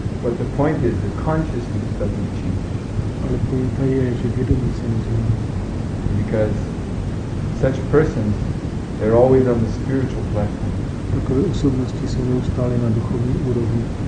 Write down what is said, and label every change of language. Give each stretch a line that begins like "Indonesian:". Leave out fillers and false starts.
English: But the point is, the consciousness doesn't change.
Czech: Ale pointa je, že vědomí se nezmění.
English: Because such persons, they're always on the spiritual platform.
Czech: Takové osobnosti jsou neustále na duchovní úrovni.